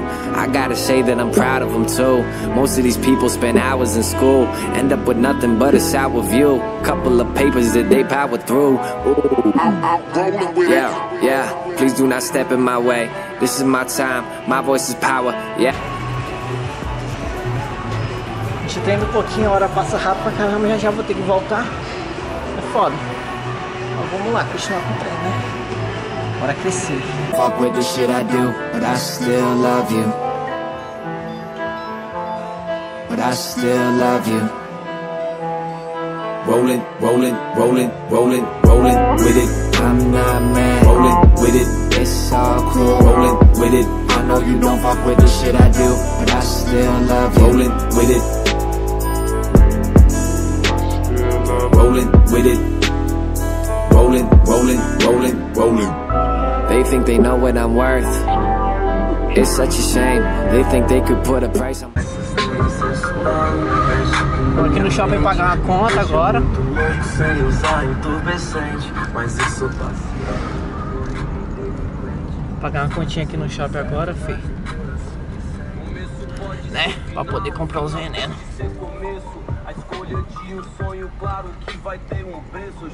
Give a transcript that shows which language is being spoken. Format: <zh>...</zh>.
<en>I gotta say that I'm proud of them too. Most of these people spend hours in school, end up with nothing but a sour view. Couple of papers that they power through. Yeah, yeah, please do not step in my way. This is my time, my voice is power, yeah.</en> <pt>A gente treina um pouquinho, a hora passa rápido pra caramba, já vou ter que voltar. É foda. Mas vamos lá, continuar com o treino, né? Bora crescer.</pt> <en>Fuck with the shit I do, but I still love you. But I still love you. Rolling, rolling, rolling, rolling, rolling with it. I'm not mad. Rolling with it. It's all cool. Rolling with it. I know you don't fuck with the shit I do, but I still love you. Rolling with it. Rolling with it. Rolling, rolling, rolling, rolling. They think they know what I'm worth. It's such a shame. They think they could put a price on me.</en> <pt>Tô aqui no shopping pagar uma conta agora. Pagar uma continha aqui no shopping agora, fi. Né? Pra poder comprar os venenos. Escolha de um sonho claro que vai ter um preço.</pt>